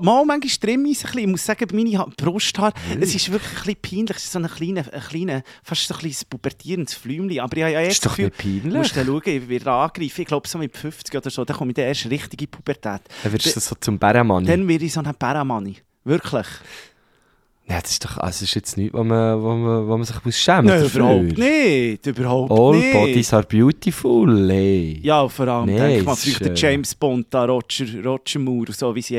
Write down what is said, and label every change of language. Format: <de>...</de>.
<de>Mal, manchmal trimme ich es ein bisschen. Ich muss sagen, meine Brusthaar... Es ist wirklich ein bisschen peinlich. Es ist so ein kleiner, fast ein kleines pubertierendes Fläumchen. Aber ich habe ja erst das Gefühl... Ist doch nicht peinlich. Musst du dann schauen, ich werde angreifen. Ich glaube, so mit 50 oder so, dann komme ich dann erst richtig in Pubertät. Dann wirst du so zum Bärenmanni. Dann werde ich so ein Bärenmanni. Wirklich. Ja, das ist doch, also ist jetzt nichts, wo man sich schämen muss. Überhaupt nicht.</de> <en>All bodies are beautiful, ey.</en> <de>Ja, vor allem, nee, denk mal, vielleicht der James Bond da, Roger Moore, so wie sie</de>